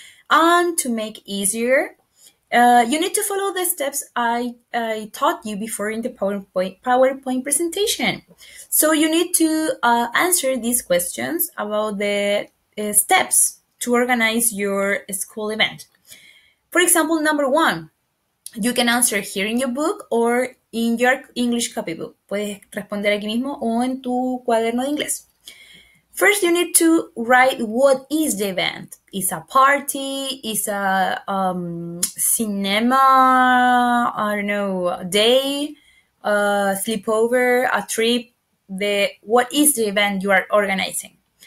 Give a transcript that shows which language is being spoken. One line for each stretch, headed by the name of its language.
English: And to make easier, you need to follow the steps I taught you before in the PowerPoint presentation. So you need to answer these questions about the steps to organize your school event. For example, number 1, You can answer here in your book or in your English copybook.
Spanish: Puedes responder aquí mismo o en tu cuaderno de inglés.
English: First, you need to write what is the event. Is a party? Is a cinema? I don't know. A day? A sleepover? A trip? What is the event you are organizing?